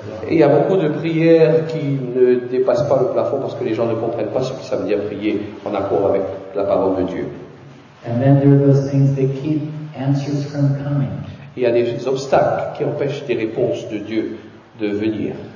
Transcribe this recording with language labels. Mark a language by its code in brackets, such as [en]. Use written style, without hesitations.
[fr] Il y a beaucoup de prières qui ne dépassent pas le plafond parce que les gens ne comprennent pas ce que ça veut dire prier en accord avec la parole de Dieu. [en] And then there are those things that keep answers from coming. [fr] Il y a des obstacles qui empêchent des réponses de Dieu de venir.